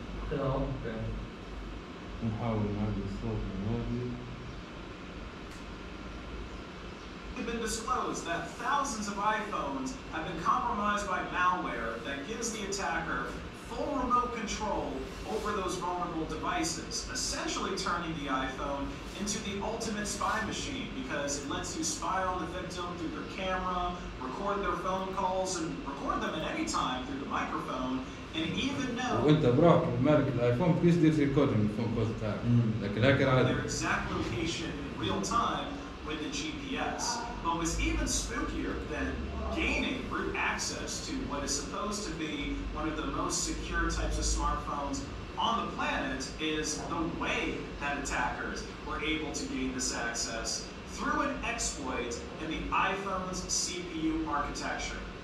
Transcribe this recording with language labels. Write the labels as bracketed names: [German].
[Arabic] خلاص نحاول نعدل الصوت من هذه [English] have been disclosed that thousands of iPhones have been compromised by malware that gives the attacker full remote control over those vulnerable devices, essentially turning the iPhone into the ultimate spy machine because it lets you spy on the victim through their camera, record their phone calls, and record them at any time through the microphone, and even know... [Arabic] وانت براك مالك الايفون بيش دير [English] recording الفون calls [Arabic] بتاعك لكن الهاكر عادي [English] their exact location in real time with the GPS, but was even spookier than gaining root access to what is supposed to be one of the most secure types of smartphones on the planet is the way that attackers were able to gain this access through an exploit in the iPhone's CPU architecture.